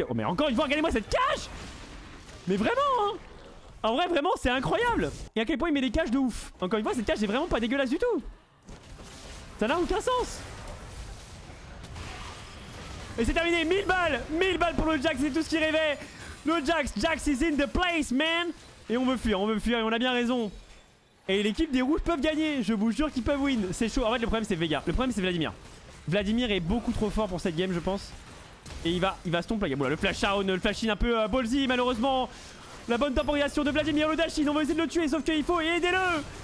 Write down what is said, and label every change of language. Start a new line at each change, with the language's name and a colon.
French: Oh, mais encore une fois, regardez-moi cette cage. Mais vraiment, hein. En vrai, vraiment, c'est incroyable! Et à quel point il met des cages de ouf! Encore une fois, cette cage est vraiment pas dégueulasse du tout! Ça n'a aucun sens! Et c'est terminé, 1000 balles, 1000 balles pour le Jax, c'est tout ce qu'il rêvait.
English: Le Jax, Jax is in the place, man.
French: Et on veut fuir, et on a bien raison. Et l'équipe des rouges peuvent gagner, je vous jure qu'ils peuvent win. C'est chaud, en fait le problème c'est Vega, le problème c'est Vladimir. Vladimir est beaucoup trop fort pour cette game, je pense. Et il va stomper, il y a le flash out, le flash in un peu ballsy, malheureusement. La bonne temporisation de Vladimir, le dash in, on va essayer de le tuer, sauf qu'il faut aider-le.